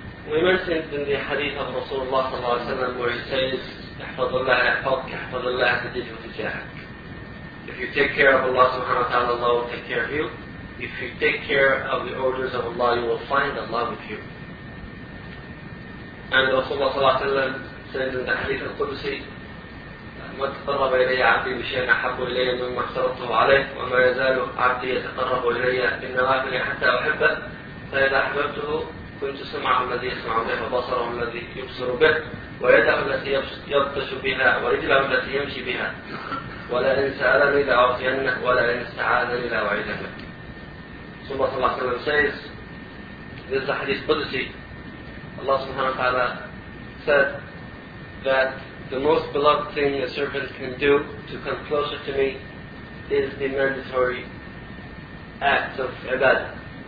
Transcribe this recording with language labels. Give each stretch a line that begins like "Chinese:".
English: We mentioned in the hadith of Rasulullah sallallahu alaihi wasallam where he says,
Arabic: احفظ الله يحفظك احفظ الله تجده تجاهك.
English: If you take care of Allah subhanahu wa ta'ala, Allah will take care of you. If you take care of the orders of Allah, you will find Allah with you. And Rasulullah sallallahu alaihi wasallam says in the hadith al-Qudusi,
Arabic: ما تقرب إلي عبدي بشيء أحب إلي مما افترضته عليه وما يزال عبدي يتقرب إلي بالنوافل حتى أحبه فإذا أحببته كنت سمعه الذي يسمع به وبصره الذي يبصر به ويده التي يبطش بها ورجله التي يمشي بها ولئن سألني لأعطينه ولئن استعاذني لأعيذنه. ثم صلى الله عليه وسلم
English: says, this is a hadith Qudsi. Allah subhanahu wa ta'ala said that the most beloved thing a servant can do to come closer to me is the mandatory act of ibadah.